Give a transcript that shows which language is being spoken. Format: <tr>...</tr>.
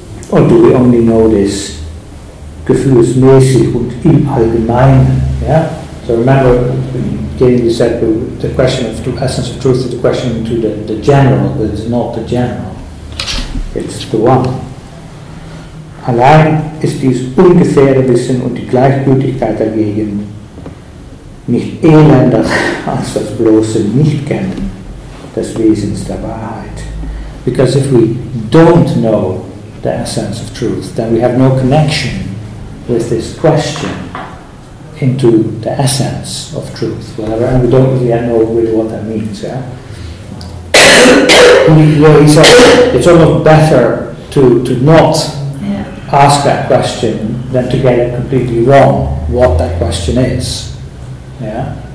<en>Or do we only know this</en> <de>gefühlsmäßig und im Allgemeinen?</de> <en>Yeah? So remember, Jane, you said the question of the essence of truth is the question to the general, but it's not the general. It's the one.</en> <de>Allein ist dies ungefähre Wissen und die Gleichgültigkeit dagegen nicht elender als das bloße Nichtkennen des Wesens der Wahrheit.</de> <en>Because if we don't know the essence of truth, then we have no connection with this question into the essence of truth, whatever, and we don't really know really what that means, yeah? he says it's almost better to not ask that question than to get it completely wrong, what that question is, yeah?</en>